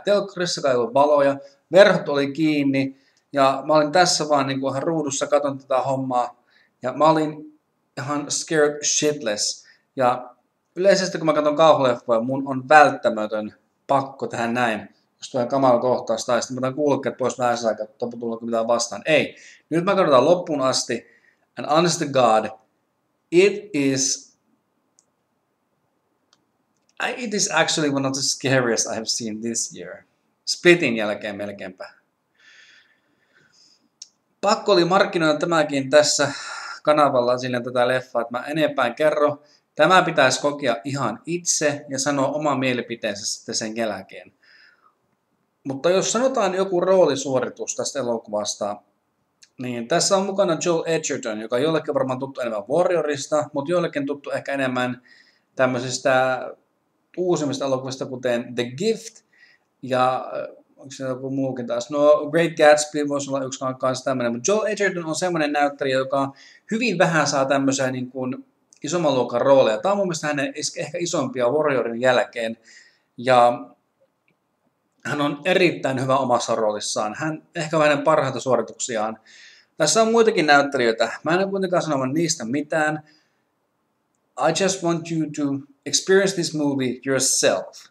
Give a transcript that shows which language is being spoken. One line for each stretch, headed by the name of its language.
Finnish: Telkkarissa ei ollut valoja, verhot oli kiinni ja mä olin tässä vaan niin kuin ihan ruudussa, katson tätä hommaa ja mä olin ihan
English: scared shitless.
Finnish: Ja yleisesti kun mä katson kauhuleffoja, mun on välttämätön pakko tehdä näin. Jos tulee kamala kohtaus tai sitten mä otan kuulokkeet pois vähän aikaa, että tullaanko mitään vastaan. Ei, nyt mä katsotaan loppuun asti.
English: And honest to God, it is actually one of the scariest I have seen this year.
Finnish: Splitin jälkeen melkeinpä. Pakko oli markkinoida tämäkin tässä kanavalla silleen tätä leffaa, että mä enempään kerro. Tämä pitäisi kokea ihan itse ja sanoa oma mielipiteensä sitten sen jälkeen. Mutta jos sanotaan joku roolisuoritus tästä elokuvasta, niin tässä on mukana Joel Edgerton, joka on jollekin varmaan tuttu enemmän Warriorista, mutta jollekin tuttu ehkä enemmän tämmöisistä uusimmista elokuvista, kuten The Gift, ja onko se joku muukin taas? No, Great Gatsby voisi olla yksi kanssa tämmöinen, mutta Joel Edgerton on semmoinen näyttelijä, joka hyvin vähän saa tämmöisiä niin kuin isomman luokan rooleja. Tämä on mun mielestä hänen ehkä isompia Warriorin jälkeen, ja hän on erittäin hyvä omassa roolissaan. Hän ehkä vähän parhaita suorituksiaan. Tässä on muitakin näyttelijöitä. Mä en ole kuitenkaan sanomaan niistä mitään.
English: I just want you to experience this movie yourself.